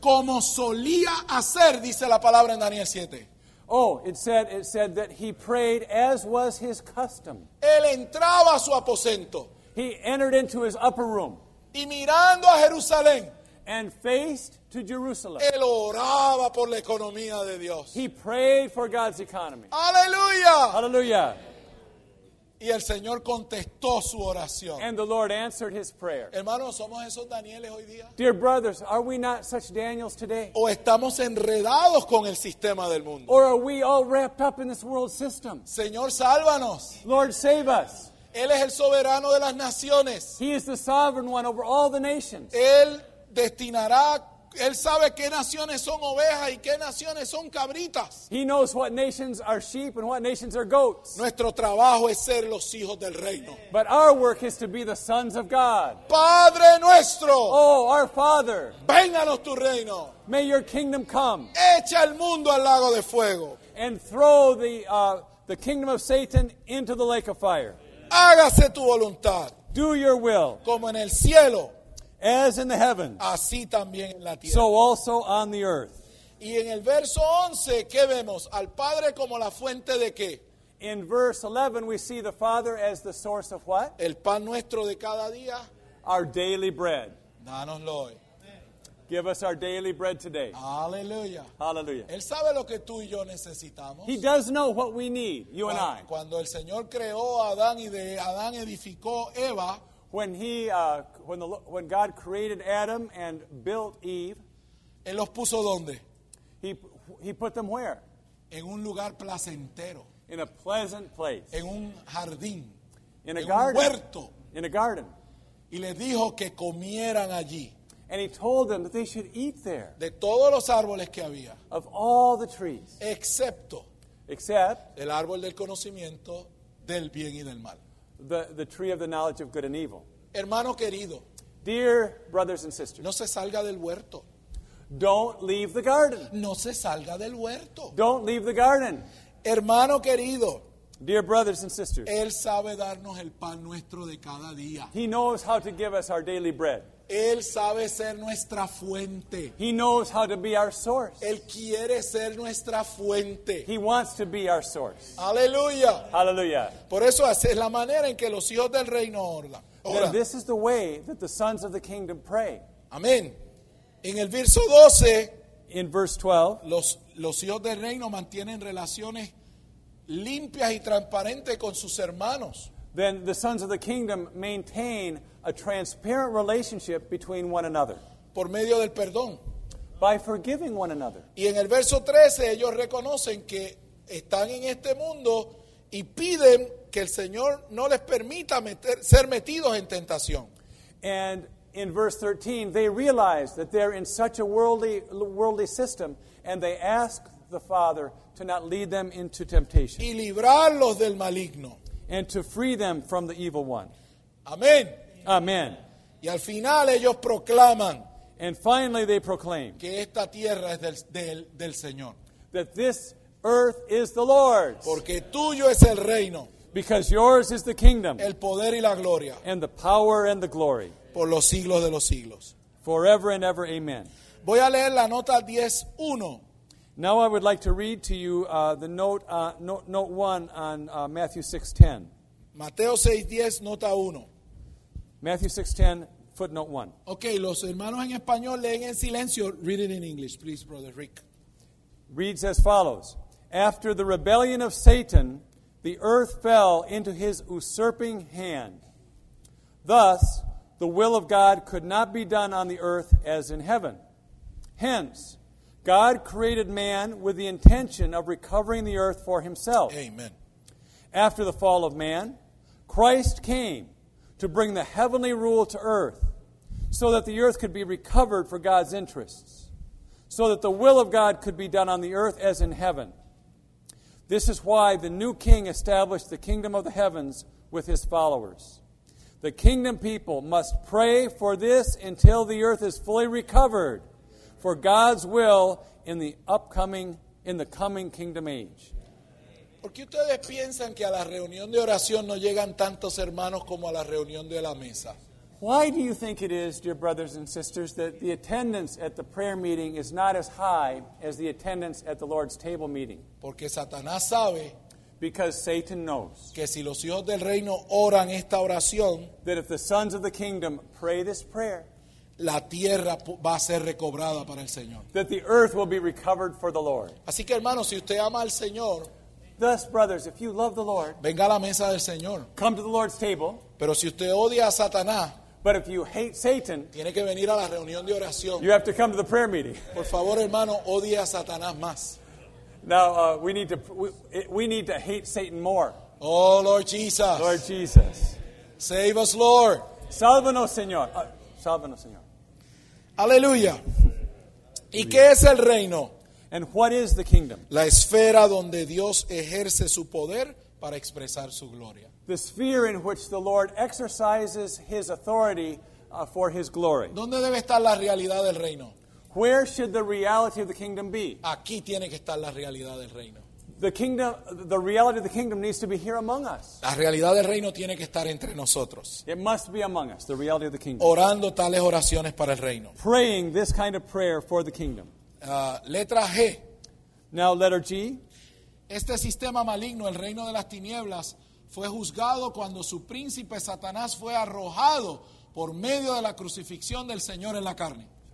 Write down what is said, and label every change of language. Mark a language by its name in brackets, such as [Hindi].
[Spanish] Como solía hacer, dice la palabra en Daniel 7. [English] Oh, it said that he prayed as was his custom. [Spanish] Él entraba a su aposento. [English] He entered into his upper room. [Spanish] Y mirando a Jerusalén. [English] And faced to Jerusalem. [Spanish] Él oraba por la economía de Dios. [English] He prayed for God's economy. [Spanish] ¡Aleluya! ¡Aleluya! Y el Señor contestó su oración. [English] And the Lord answered his prayer. [Spanish] Hermanos, ¿somos esos Danieles hoy día? [English] Dear brothers, are we not such Daniels today? [Spanish] ¿O estamos enredados con el sistema del mundo? [English] Or are we all wrapped up in this world system? [Spanish] Señor, sálvanos. [English] Lord, save us. [Spanish] Él es el soberano de las naciones. [English] He is the sovereign one over all the nations. [Spanish] Él destinará, él sabe qué naciones son ovejas y qué naciones son cabritas. [English] He knows what nations are sheep and what nations are goats. [Spanish] Nuestro trabajo es ser los hijos del reino. [English] But our work is to be the sons of God. [Spanish] Padre nuestro. [English] Oh, our Father. [Spanish] Vénganos tu reino. [English] May your kingdom come. [Spanish] Echa el mundo al lago de fuego. [English] And throw the kingdom of Satan into the lake of fire. [Spanish] Hágase tu voluntad. [English] Do your will. [Spanish] Como en el cielo. [English] As in the heavens. [Spanish] Así también en la tierra. [English] So also on the earth. [Spanish] Y en el verso 11, ¿qué vemos? Al Padre como la fuente de qué. [English] In verse 11, we see the Father as the source of what? [Spanish] El pan nuestro de cada día. [English] Our daily bread. [Spanish] Dánoslo hoy. [English] Give us our daily bread today. Hallelujah. Hallelujah. [Spanish] Él sabe lo que tú y yo necesitamos. [English] He does know what we need, you and I. [Spanish] Cuando el Señor creó a Adán y de Adán edificó Eva. [English] When God created Adam and built Eve. [Spanish] Él los puso dónde? [English] He put them where? [Spanish] En un lugar placentero. [English] In a pleasant place. [Spanish] En un jardín. [English] In a garden. [Spanish] En un huerto. [English] In a garden. [Spanish] Y les dijo que comieran allí. [English] And he told them that they should eat there. [Spanish] De todos los árboles que había. [English] Of all the trees. [Spanish] Excepto. [English] Except. [Spanish] El árbol del conocimiento del bien y del mal. [English] The tree of the knowledge of good and evil. [Spanish] Hermano querido. [English] Dear brothers and sisters. [Spanish] No se salga del huerto. [English] Don't leave the garden. [Spanish] No se salga del huerto. [English] Don't leave the garden. [Spanish] Hermano querido. [English] Dear brothers and sisters, [Spanish] Él sabe darnos el pan nuestro de cada día. [English] He knows how to give us our daily bread. [Spanish] Él sabe ser nuestra fuente. [English] He knows how to be our source. [Spanish] Él quiere ser nuestra fuente. [English] He wants to be our source. [Spanish] Aleluya. Aleluya. Por eso es la manera en que los hijos del reino oran. [English] Then this is the way that the sons of the kingdom pray. [Spanish] Amén. En el verso 12, [English] in verse 12, [Spanish] los hijos del reino mantienen relaciones limpias y transparentes con sus hermanos. [English] Then the sons of the kingdom maintain a transparent relationship between one another. [Spanish] Por medio del perdón. [English] By forgiving one another. [Spanish] Y en el verso 13 ellos reconocen que están en este mundo y piden que el Señor no les permita ser metidos en tentación. [English] And in verse 13 they realize that they're in such a worldly system and they ask the Father to not lead them into temptation. [Spanish] Y librarlos del maligno. [English] And to free them from the evil one. [Spanish] Amén. [English] Amen. [Spanish] Y al final ellos proclaman, [English] and finally they proclaim, [Spanish] que esta tierra es del Señor. [English] That this earth is the Lord's. [Spanish] Porque tuyo es el reino. [English] Because yours is the kingdom. [Spanish] El poder y la gloria. [English] And the power and the glory. [Spanish] Por los siglos de los siglos. [English] Forever and ever, amen. [Spanish] Voy a leer la nota 10:1. [English] Now I would like to read to you the note, note 1 on Matthew 6:10. [Spanish] Mateo 6:10, nota 1. [English] Matthew 6:10, footnote 1. [Spanish] Okay, los hermanos en español leen en silencio. [English] Read it in English, please, Brother Rick. Reads as follows. After the rebellion of Satan, the earth fell into his usurping hand. Thus, the will of God could not be done on the earth as in heaven. Hence, God created man with the intention of recovering the earth for himself. Amen. After the fall of man, Christ came to bring the heavenly rule to earth so that the earth could be recovered for God's interests, so that the will of God could be done on the earth as in heaven. This is why the new king established the kingdom of the heavens with his followers. The kingdom people must pray for this until the earth is fully recovered for God's will in the coming kingdom age. [Spanish] ¿Por qué ustedes piensan que a la reunión de oración no llegan tantos hermanos como a la reunión de la mesa? [English] Why do you think it is, dear brothers and sisters, that the attendance at the prayer meeting is not as high as the attendance at the Lord's table meeting? [Spanish] Porque Satanás sabe. [English] Because Satan knows. [Spanish] Que si los hijos del reino oran esta oración, [English] that if the sons of the kingdom pray this prayer, [Spanish] la tierra va a ser recobrada para el Señor. [English] That the earth will be recovered for the Lord. [Spanish] Así que hermanos, si usted ama al Señor, [English] thus, brothers, if you love the Lord, [Spanish] venga a la mesa del Señor. [English] Come to the Lord's table. [Spanish] Pero si usted odia a Satanás, [English] but if you hate Satan, [Spanish] tiene que venir a la reunión de oración. [English] You have to come to the prayer meeting. [Spanish] Por favor, hermano, odie a Satanás más. [English] Now we need to hate Satan more. Oh Lord Jesus. Lord Jesus. Save us, Lord. [Spanish] Sálvanos, Señor. Sálvanos, Señor. Aleluya. ¿Y qué es el reino? [English] And what is the kingdom? [Spanish] La esfera donde Dios ejerce su poder para expresar su gloria. [English] The sphere in which the Lord exercises his authority for his glory. [Spanish] ¿Dónde debe estar la realidad del reino? [English] Where should the reality of the kingdom be? [Spanish] Aquí tiene que estar la realidad del reino. [English] The kingdom, the reality of the kingdom needs to be here among us. [Spanish] La realidad del reino tiene que estar entre nosotros. [English] It must be among us, the reality of the kingdom. [Spanish] Orando tales oraciones para el reino. [English] Praying this kind of prayer for the kingdom. [Spanish] Letra G. [English] Now letter G. [Spanish] Este sistema maligno, el reino de las tinieblas, fue juzgado cuando su príncipe Satanás fue arrojado por medio de la crucifixión del Señor en la carne.